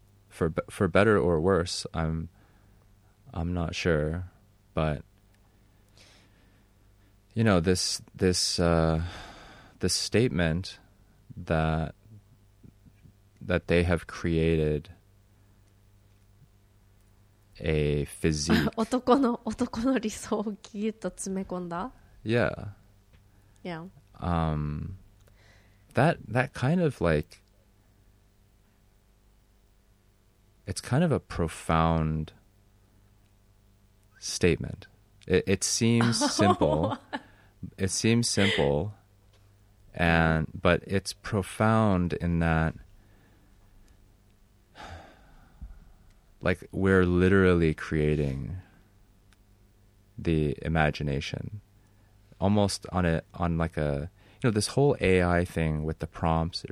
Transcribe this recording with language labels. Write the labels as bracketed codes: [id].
[en] For better or worse, I'm not sure, but you know, this statement that they have created a physique. [ja] 男の理想をギュッと詰め込んだ? [en] Yeah. Yeah. That kind of like it's kind of a profound statement. It seems simple. It seems simple, but it's profound in that, like, we're literally creating the imagination, almost on you know, this whole AI thing with the prompts.